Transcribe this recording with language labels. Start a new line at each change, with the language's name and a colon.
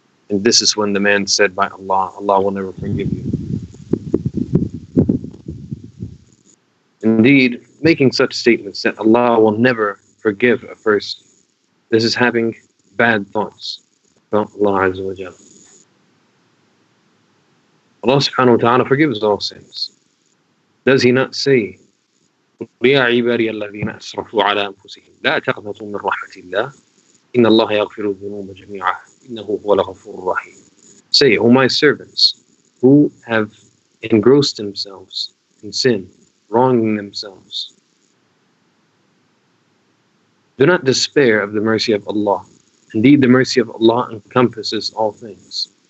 English: And this is when the man said, by Allah, Allah will never forgive you. Indeed, making such statements that Allah will never forgive a person, this is having bad thoughts about Allah Azza wa Jalla. Allah subhanahu wa ta'ala forgives all sins. Does he not say,
Arabic: يَا عِبَارِيَ الَّذِينَ أَسْرَفُوا عَلَىٰ أَنفُسِهِمْ لَا تَقْنَطُوا مِنْ رَحْمَةِ اللَّهِ إِنَّ اللَّهَ يَغْفِرُ الذُّنُوبَ جَمِيعًا إِنَّهُ هُوَ الْغَفُورُ الرَّحِيمُ.
English: Say, O my servants, who have engrossed themselves in sin, wronging themselves, do not despair of the mercy of Allah. Indeed, the mercy of Allah encompasses all things.